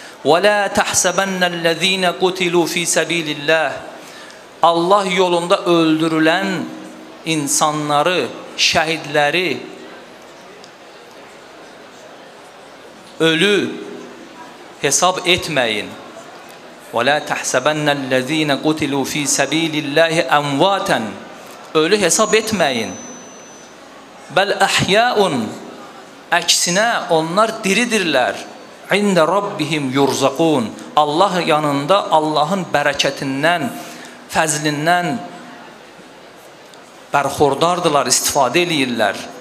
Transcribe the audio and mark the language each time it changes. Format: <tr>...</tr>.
<ar>وَلَا تَحْسَبَنَّ الَّذ۪ينَ قُتِلُوا ف۪ي سَب۪يلِ اللّٰهِ</ar> <az>Allah yolunda öldürülən insanları, şəhidləri, ölü hesab etməyin.</az> <ar>وَلَا تَحْسَبَنَّ الَّذ۪ينَ قُتِلُوا ف۪ي سَب۪يلِ اللّٰهِ اَمْوَاتًا</ar> <az>Ölü hesab etməyin.</az> <ar>بَلْ اَحْيَاءٌ</ar> <az>Əksinə onlar diridirlər.</az> <ar>عند ربهم يرزقون</ar> <az>Allah yanında Allahın bərəkətindən, fəzlindən bərxordardılar, istifadə edirlər.</az>